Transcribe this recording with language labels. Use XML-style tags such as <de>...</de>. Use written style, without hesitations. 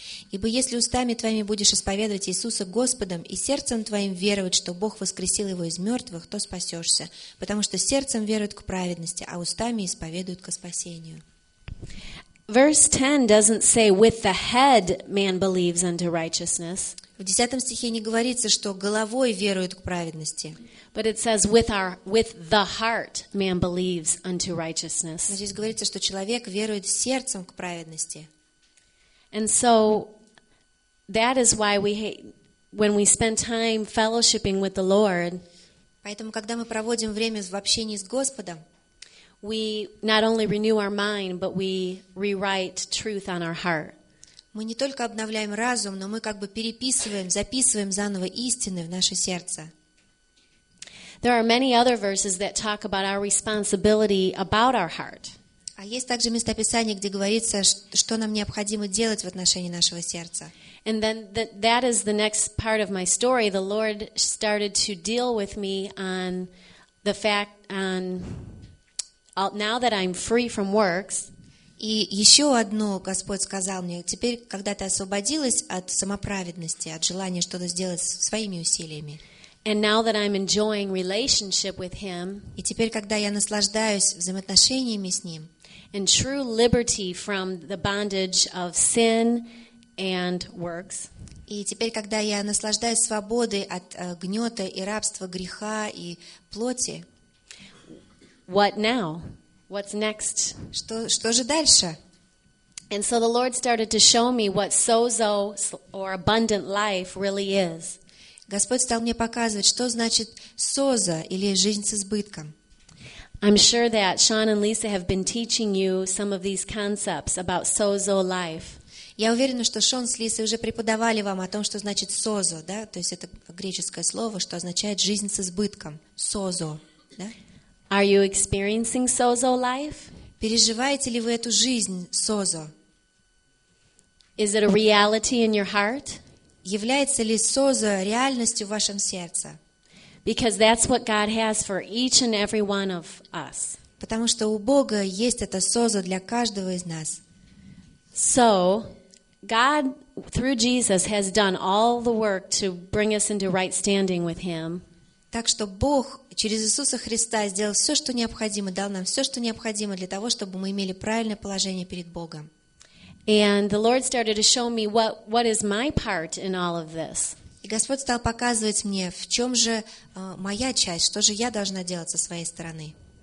<ru>Ибо если устами твоими будешь исповедовать Иисуса Господом, и сердцем твоим веровать, что Бог воскресил Его из мертвых, то спасешься, потому что сердцем веруют к праведности, а устами исповедуют ко спасению.</ru> <en>Verse 10 doesn't say, with the head man believes unto righteousness.</en> <ru>В 10 стихе не говорится, что головой веруют к праведности.</ru> <en>But it says with the heart man believes unto righteousness.</en> <ru>Но здесь говорится, что человек верует сердцем к праведности.</ru> <en>And so that is why when we spend time fellowshipping with the Lord,</en> <ru>поэтому когда мы проводим время в общении с Господом,</ru> <en>we not only renew our mind, but we rewrite truth on our heart.</en> <ru>Мы не только обновляем разум, но мы как бы переписываем, записываем заново истины в наше сердце.</ru> <en>There are many other verses that talk about our responsibility about our heart.</en> <ru>А есть также местописание, где говорится, что нам необходимо делать в отношении нашего сердца.</ru> <en>And then that is the next part of my story. The Lord started to deal with me on the fact on now that I'm free from works.</en> <ru>И еще одно Господь сказал мне, теперь, когда ты освободилась от самоправедности, от желания что-то сделать своими усилиями,</ru> <en>and now that I'm enjoying relationship with him,</en> <ru>и теперь, когда я наслаждаюсь взаимоотношениями с Ним,</ru> <en>and true liberty from the bondage of sin and works,</en> <ru>И теперь, когда я наслаждаюсь свободой от гнета и рабства греха и плоти,</ru> <en>what now? What's next?</en> <ru>Что же дальше?</ru> <en>And so the Lord started to show me what sozo or abundant life really is.</en> <ru>Господь стал мне показывать, что значит соза или жизнь с избытком.</ru> <en>I'm sure that Sean and Lisa have been teaching you some of these concepts about sozo life.</en> <ru>Я уверена, что Шон с Лисой уже преподавали вам о том, что значит созо, да? То есть это греческое слово, что означает жизнь с избытком, созо, да?</ru> <en>Are you experiencing sozo life?</en> <ru>Переживаете ли вы эту жизнь созо?</ru> <en>Is it a reality in your heart?</en> <ru>Является ли созо реальностью в вашем сердце?</ru> <en>Because that's what God has for each and every one of us.</en> <ru>Потому что у Бога есть это созо для каждого из нас.</ru> <en>So, God through Jesus has done all the work to bring us into right standing with Him.</en> <ru>Так что Бог через Иисуса Христа сделал все, что необходимо, дал нам все, что необходимо для того, чтобы мы имели правильное положение перед Богом.</ru> <en>And the Lord started to show me what is my part in all of this.</en> <ru>И Господь стал показывать мне, в чем же моя часть, что же я должна делать со своей стороны.</ru>